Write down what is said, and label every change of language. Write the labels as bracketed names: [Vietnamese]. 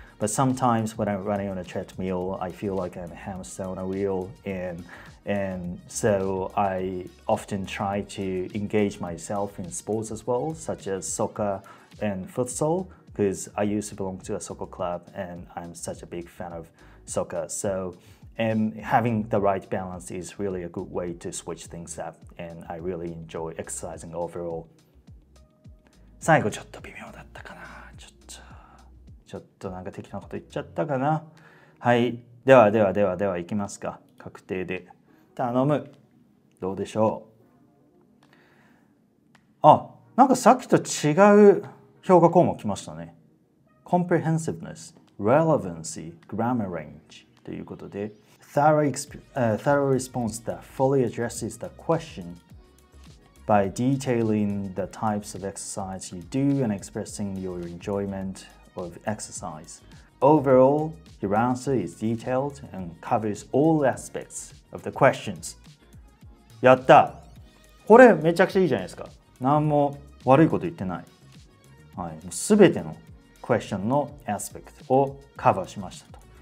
[English] But sometimes when I'm running on a treadmill, I feel like I'm a hamster on a wheel and so I often try to engage myself in sports as well, such as soccer and futsal, because I used to belong to a soccer club and I'm such a big fan of soccer. So, and having the right balance is really a good way to switch things up, and I really enjoy exercising overall. [Japanese] 最後ちょっと微妙だったかな。ちょっとなんか適当なこと言っちゃったかな。はい、では行きますか。確定で頼む。どうでしょう。あ、なんかさっきと違う評価項目来ましたね。 [English] Comprehensiveness, relevancy, grammar range ということで、thorough response that fully addresses the question by detailing the types of exercise you do and expressing your enjoyment of exercise. Overall, your answer is detailed and covers all aspects. Of the questions. [Japanese] やった。これめちゃくちゃいいじゃないですか。何も悪いこと言ってない。はい、もう全てのクエスチョンのアスペクトをカバーしましたと。